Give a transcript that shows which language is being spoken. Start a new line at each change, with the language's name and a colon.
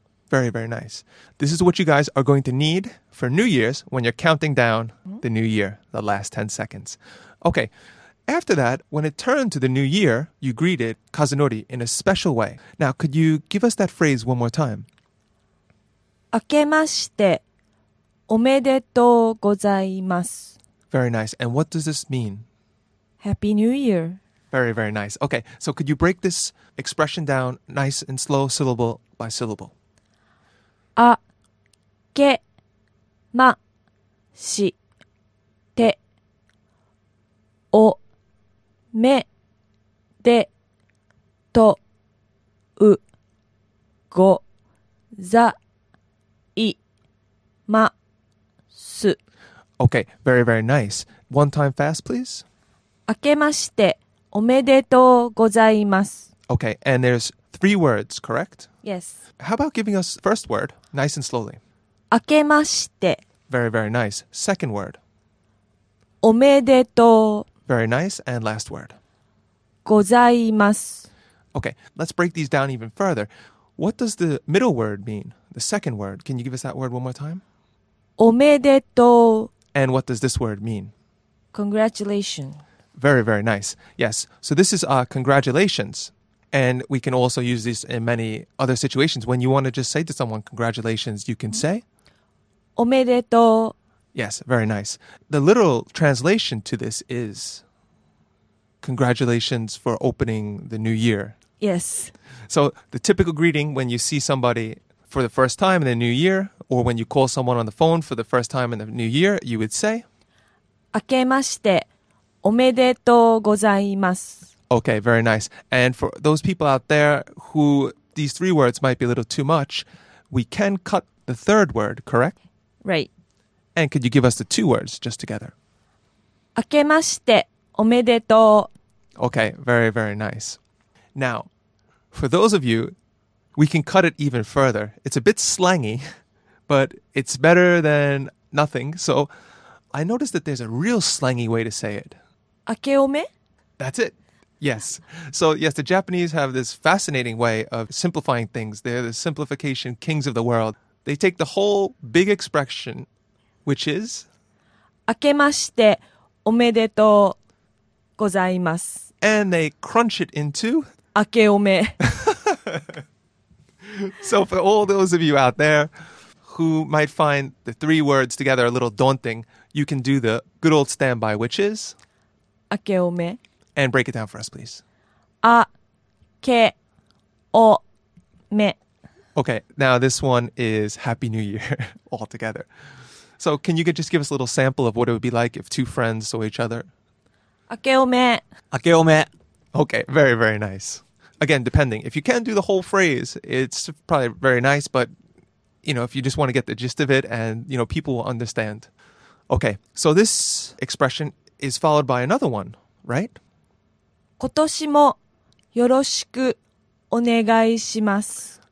English: Very, very nice. This is what you guys are going to need for New Year's when you're counting down the new year, the last 10 seconds. Okay, after that, when it turned to the new year, you greeted Kazunori in a special way. Now, could you give us that phrase one more time?
Japanese: 明けましておめでとうございます。
English: Very nice. And what does this mean? Happy New Year. Very, very nice. Okay, so could you break this expression down nice and slow, syllable by syllable?
Japanese: あけましておめでとうございます。います。
English: Okay, very, very nice. One time fast, please.
Japanese: 明けましておめでとうございます。
English: Okay, and there's three words, correct? Yes. How about giving us first word, nice and slowly?
Japanese: 明けまして。
English: Very, very nice. Second word.
Japanese: おめでとう。
English: Very nice. And last word.
Japanese: ございます。
English: Okay, let's break these down even further. What does the middle word mean? The second word. Can you give us that word one more time?
Japanese: おめでとう。
English: And what does this word mean? Congratulations. Very, very nice. Yes. So this is congratulations. And we can also use this in many other situations. When you want to just say to someone congratulations, you can say
Japanese: おめでとう。
English: Yes, very nice. The literal translation to this is congratulations for opening the new year. Yes. So the typical greeting when you see somebody for the first time in the new year, or when you call someone on the phone for the first time in the new year, you would say
Japanese: 明けましておめでとうございます。
English: Okay, very nice. And for those people out there who these three words might be a little too much, we can cut the third word, correct? Right. And could you give us the two words just together?
Japanese: 明けましておめでとう。
English: Okay, very, very nice. Now, for those of you, we can cut it even further. It's a bit slangy, but it's better than nothing. So I noticed that there's a real slangy way to say it.
Japanese: 明けおめ?
English: That's it. Yes. So yes, the Japanese have this fascinating way of simplifying things. They're the simplification kings of the world. They take the whole big expression, which is
Japanese: 明けましておめでとうございます。
English: And they crunch it into
Japanese: 明けおめ。
English: So for all those of you out there who might find the three words together a little daunting, you can do the good old standby, which is
Japanese: 明けおめ。
English: And break it down for us, please.
Japanese: 明けおめ。
English: Okay, now this one is Happy New Year all together. So can you just give us a little sample of what it would be like if two friends saw each other?
Japanese: 明けおめ。明けおめ。
English: Okay, very, very nice. Again, depending. If you can do the whole phrase, it's probably very nice, but, you know, if you just want to get the gist of it and, you know, people will understand. Okay, so this expression is followed by another one, right?
Japanese: 今年もよろしくお願いします。